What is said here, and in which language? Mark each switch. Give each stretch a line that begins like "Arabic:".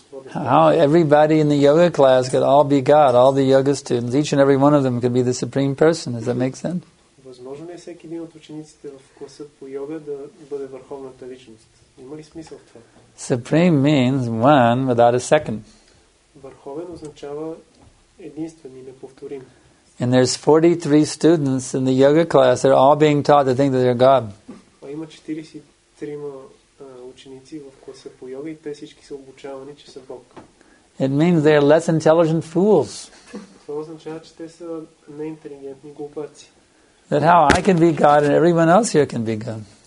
English: How everybody in the yoga class could all be God, all the yoga students, each and every one of them could be the Supreme Person. Does that make sense?
Bulgarian: Възможно ли е всеки един от учениците в класа по йога да бъде върховната личност? Има ли смисъл в това?
English: Supreme means one without a second.
Bulgarian: Върховен означава единствен и неповторим.
English: And there's 43 students in the yoga class. They're all being taught to think that they're God.
Bulgarian: А има 43 ученици в класа по йога и те всички са обучавани, че са Бог.
English: It means they're less intelligent fools.
Bulgarian: Това означава, че те са неинтелигентни глупаци.
English: That how I can be God and everyone else here can be God.